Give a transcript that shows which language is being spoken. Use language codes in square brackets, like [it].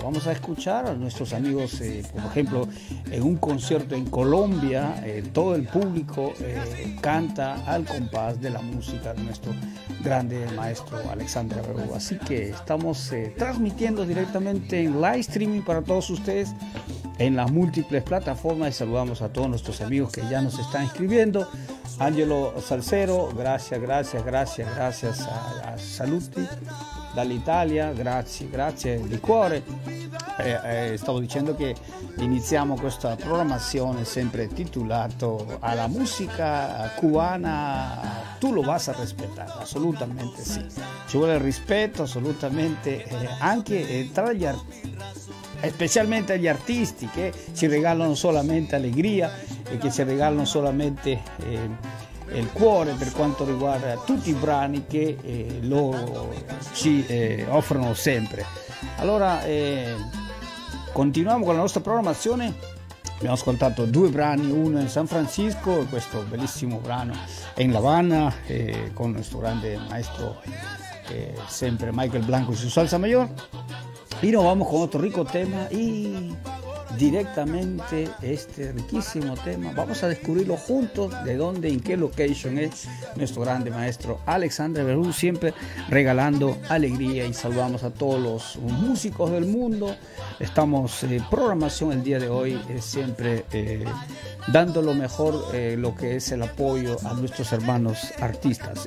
[es] Vamos a escuchar a nuestros amigos, por ejemplo, en un concierto en Colombia, todo el público canta al compás de la música de nuestro grande maestro Alexander Abreu. Así que estamos transmitiendo directamente en live streaming para todos ustedes en las múltiples plataformas, y saludamos a todos nuestros amigos que ya nos están escribiendo. [it] Ángelo Salcero, [es] gracias a [it] Saluti, dall'Italia, grazie di cuore. Stavo dicendo che iniziamo questa programmazione sempre titolato alla musica cubana, tu [es] lo vas a [it] rispettare, assolutamente sì, ci vuole il rispetto assolutamente anche tra gli especialmente agli artisti che ci regalano solamente allegria e che ci regalano solamente il cuore per quanto riguarda tutti i brani che loro ci offrono sempre. Allora, continuiamo con la nostra programmazione. Abbiamo ascoltato due brani, uno in San Francisco, questo bellissimo brano in La Habana, con il nostro grande maestro, sempre Michael Blanco e su salsa mayor. [es] Y nos vamos con otro rico tema, y directamente este riquísimo tema vamos a descubrirlo juntos, de dónde, en qué location es nuestro grande maestro Alexandre Berú, siempre regalando alegría. Y saludamos a todos los músicos del mundo. Estamos en programación el día de hoy, siempre dando lo mejor, lo que es el apoyo a nuestros hermanos artistas.